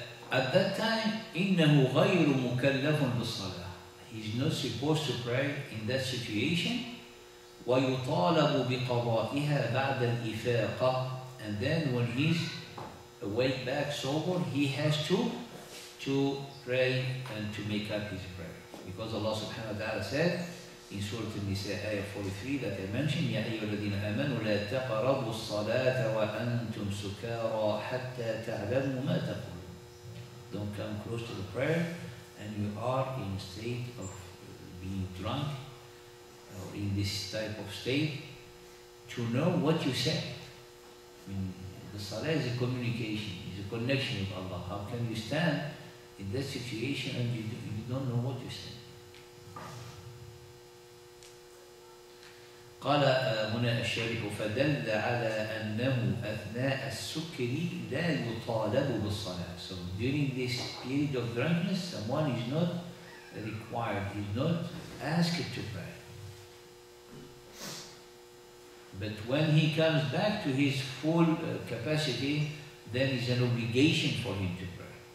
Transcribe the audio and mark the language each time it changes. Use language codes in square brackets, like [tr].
[en] At that time, [ar] إِنَّهُ غَيْرُ مُكَلَّفٌ بِالصَّلَاةِ. [en] He's not supposed to pray in that situation. [ar] وَيُطَالَبُ بِقَضَائِهَا بَعْدَ الْإِفَاقَةِ. [en] And then when he's awake back sober, he has to pray and to make up his prayer. Because Allah subhanahu wa ta'ala said in Surah An-Nisa, ayah 43, that I mentioned, [ar] يَا أَيُّهَا الَّذِينَ آمَنُوا لَا تَقَرَبُوا الصَّلَاةَ وَأَنْتُمْ سُكَارَى حَتَّى تَعْلَمُوا مَا تَقُولُ. [en] Don't come close to the prayer and you are in state of being drunk or in this type of state to know what you say. I mean, the salah is a communication, is a connection with Allah. How can you stand in that situation and you don't know what you say? [ar] قال هنا الشارح فدل على أنه أثناء السكر لا يطالب بالصلاة. [en] So during this period of drunkenness, someone is not required, is not asked to pray. But when he comes back to his full capacity, then is an obligation for him to pray.